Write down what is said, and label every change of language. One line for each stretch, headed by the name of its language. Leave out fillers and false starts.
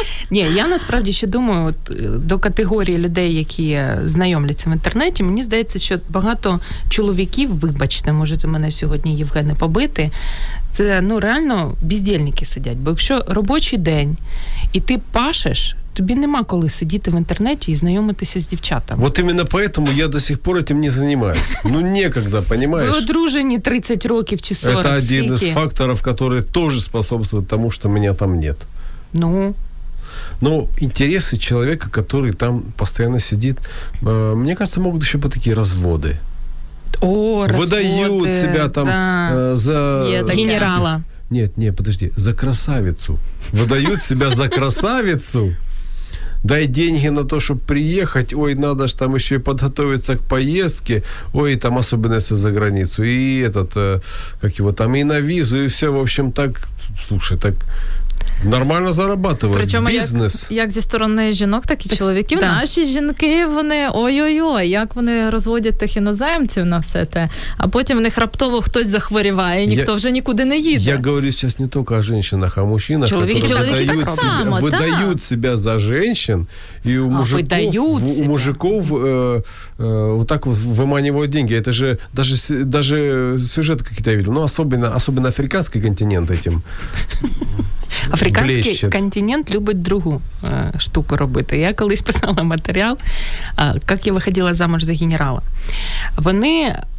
Ukrainian: Ні, я насправді ще думаю, от, до категорії людей, які знайомляться в інтернеті, мені здається, що багато чоловіків, вибачте, можете мене сьогодні, Євгене, побити, це, ну, реально бездельники сидять. Бо якщо робочий день, і ти пашеш... Тобі нема коли сидіти в інтернеті і знайомитися з дівчатами. От іменно
Russian: поэтому я до сих пор этим не занимаюсь. Ну, некогда, понимаешь?
Ukrainian: Ви одружені 30 років чи 40.
Russian: Это один из факторов, который тоже способствует тому, что меня там нет. Ну? Ну, интересы человека, который там постоянно сидит, мне кажется, могут еще быть такие разводы. О, выдают разводы. Выдают себя там за... Генерала. Нет, нет, подожди, за красавицу. Выдают себя за красавицу. Дай деньги на то, чтобы приехать. Ой, надо же там еще и подготовиться к поездке. Ой, там особенно если за границу. И этот, как его там, и на визу, и все. В общем, так, слушай, так нормально зарабатывают. Причем, бизнес.
Ukrainian: Как зі сторони жінок, так і чоловіків. Да. Наші жінки, вони ой-ой-ой, як вони розводять тих іноземців на все те. А потім в них раптово хтось захворіває, ніхто вже нікуди не їде.
Russian: Я говорю сейчас не только о женщинах, а о мужчинах, которые выдают себя за женщин, и у мужиков вот так вот выманивают деньги. Это же даже сюжет какие-то я видел. Ну, особенно африканский континент этим.
Ukrainian: Африканський
Russian: блещет.
Ukrainian: Континент любить другу штуку робити. Я колись писала матеріал, як я виходила замуж за генерала. Вони